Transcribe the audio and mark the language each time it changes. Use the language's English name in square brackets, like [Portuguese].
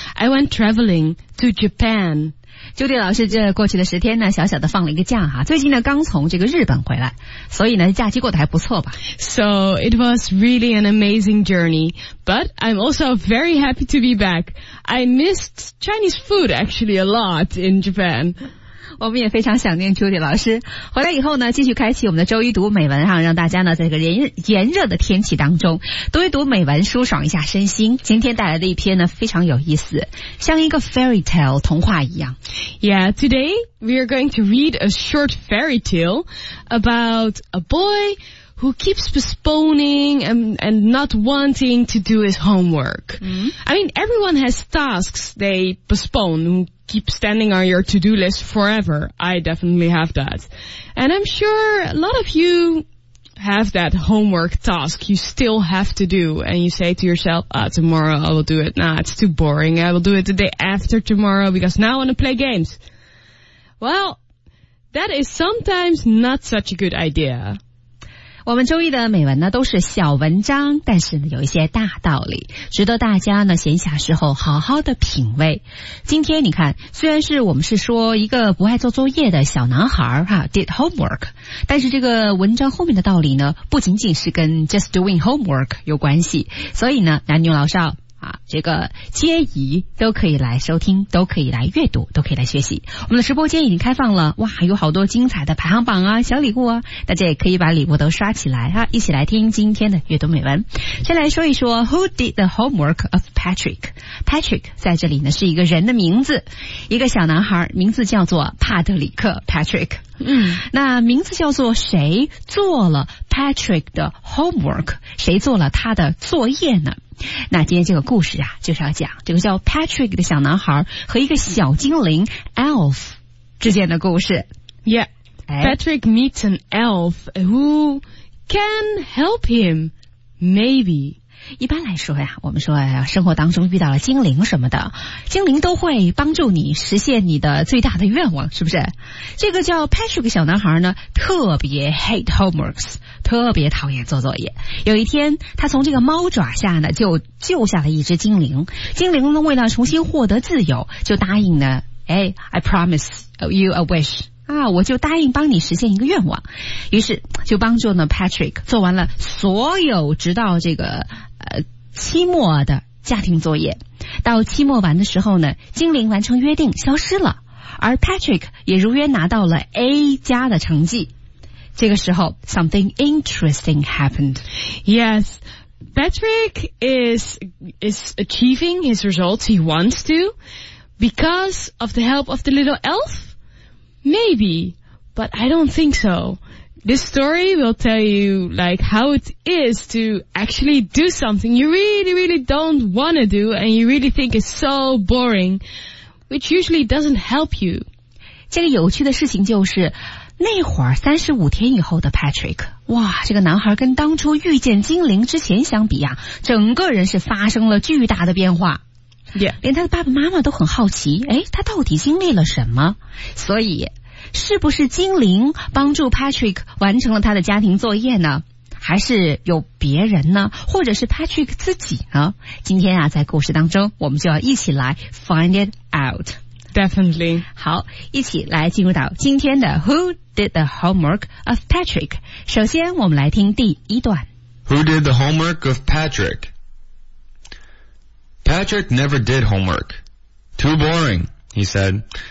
[English] I went traveling to Japan. [Chinese] 朱迪老师这过去的十天呢小小的放了一个假哈，最近呢刚从这个日本回来，所以呢假期过得还不错吧。 [English] So it was really an amazing journey, but I'm also very happy to be back. I missed Chinese food actually a lot in Japan. [Chinese] 我们也非常想念朱迪老师，回来以后呢继续开启我们的周一读美文哈，让大家呢在这个炎热的天气当中读一读美文，舒爽一下身心。今天带来的一篇呢非常有意思，像一个 [English] fairy tale [Chinese] 童话一样。 [English] Yeah, today we are going to read a short fairy tale about a boy who keeps postponing and not wanting to do his homework.、Mm-hmm. I mean, everyone has tasks they postpone, keep standing on your to-do list forever. I definitely have that. And I'm sure a lot of you have that homework task you still have to do, and you say to yourself, ah, tomorrow I will do it. Nah, it's too boring. I will do it the day after tomorrow because now I want to play games. Well, that is sometimes not such a good idea. [Chinese] 我们周一的美文呢都是小文章，但是呢有一些大道理，值得大家呢闲暇时候好好的品味。今天你看，虽然是我们是说一个不爱做作业的小男孩哈 ， [English] did homework， [Chinese] 但是这个文章后面的道理呢，不仅仅是跟 [English] just doing homework [Chinese] 有关系，所以呢男女老少啊，这个皆宜，都可以来收听，都可以来阅读，都可以来学习。我们的直播间已经开放了，哇，有好多精彩的排行榜啊，小礼物啊，大家也可以把礼物都刷起来哈、啊，一起来听今天的阅读美文。先来说一说 [English] Who did the homework of Patrick? [Chinese] Patrick 在这里呢是一个人的名字，一个小男孩，名字叫做帕德里克 Patrick。嗯，那名字叫做谁做了 Patrick 的 homework， 谁做了他的作业呢？那今天这个故事啊，就是要讲这个叫 Patrick 的小男孩和一个小精灵 elf 之间的故事。 [English] Yeah, Patrick meets an elf who can help him, maybe. [Chinese] 一般来说呀，我们说生活当中遇到了精灵什么的，精灵都会帮助你实现你的最大的愿望，是不是？这个叫 Patrick 小男孩呢特别 [English] hate homeworks， [Chinese] 特别讨厌做作业。有一天他从这个猫爪下呢就救下了一只精灵，精灵呢为了重新获得自由就答应呢，哎， [English] I promise you a wish [Chinese] 啊，我就答应帮你实现一个愿望。于是就帮助呢 Patrick 做完了所有直到这个期末的家庭作业。到期末完的时候呢，精灵完成约定消失了，而 Patrick 也如约拿到了 A 加的成绩。这个时候 [English] something interesting happened. Yes, Patrick is achieving his results he wants to because of the help of the little elf. Maybe, but I don't think so. This story will tell you, like, how it is to actually do something you really, really don't want to do and you really think is so boring, which usually doesn't help you. [Chinese] 这个有趣的事情就是，那会儿35天以后的 Patrick, 哇，这个男孩跟当初遇见精灵之前相比啊，整个人是发生了巨大的变化。 [English] Yeah. [Chinese] 连他的爸爸妈妈都很好奇，诶，他到底经历了什么？所以是不是精灵帮助 Patrick 完成了他的家庭作业呢？还是有别人呢？或者是 Patrick 自己呢？今天啊在故事当中我们就要一起来 [English] find it out. Definitely. [Chinese] 好，一起来进入到今天的 [English] Who did the homework of Patrick? [Chinese] 首先我们来听第一段。 [English] Who did the homework of Patrick? Patrick never did homework. Too boring, he said.